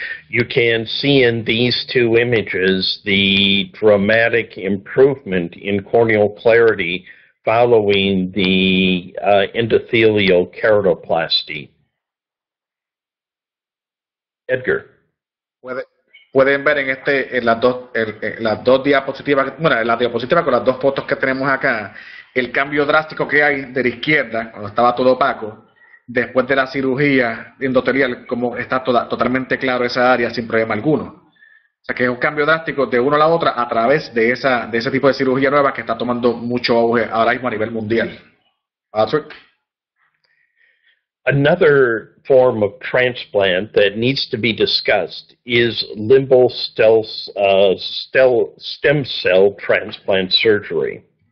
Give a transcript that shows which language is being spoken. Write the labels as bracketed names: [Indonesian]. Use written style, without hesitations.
[English] You can see in these two images the dramatic improvement in corneal clarity following the endothelial keratoplasty. Edgar. [Spanish] Pueden ver en las dos diapositivas, bueno, en la diapositiva con las dos fotos que tenemos acá, el cambio drástico que hay de la izquierda, cuando estaba todo opaco, después de la cirugía endotelial, como está totalmente claro esa área sin problema alguno. O sea que es un cambio drástico de una a la otra a través de ese tipo de cirugía nueva que está tomando mucho auge ahora mismo a nivel mundial. Patrick. [English] Another form of transplant that needs to be discussed is limbal stem cell transplant surgery.